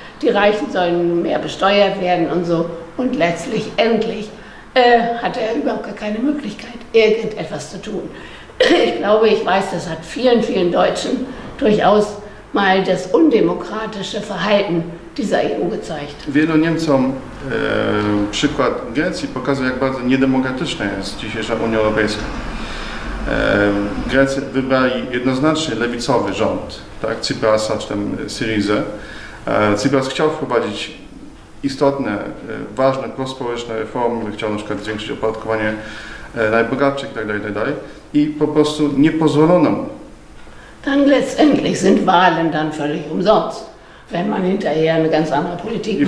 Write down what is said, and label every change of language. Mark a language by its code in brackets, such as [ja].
[de] Die Reichen sollen mehr besteuert werden und so. Und letztlich, endlich, hat er überhaupt gar keine Möglichkeit, irgendetwas zu tun. Ich glaube, ich weiß, das hat vielen, vielen Deutschen durchaus mal das undemokratische Verhalten dieser EU gezeigt. [pl] Wielu Niemcom przykład Grecji pokazał, jak bardzo niedemokratyczna jest dzisiejsza Unia Europejska. Grecy wybrali jednoznacznie lewicowy rząd, tak, Tsiprasa czy tam Syrizę. Tsipras chciał wprowadzić istotne, ważne, prospołeczne reformy, chciał na przykład zwiększyć opodatkowanie najbogatszych itd., itd. I po prostu nie pozwolono mu. [de] Dann letztendlich sind Wahlen dann völlig umsonst, wenn man hinterher eine ganz andere Politik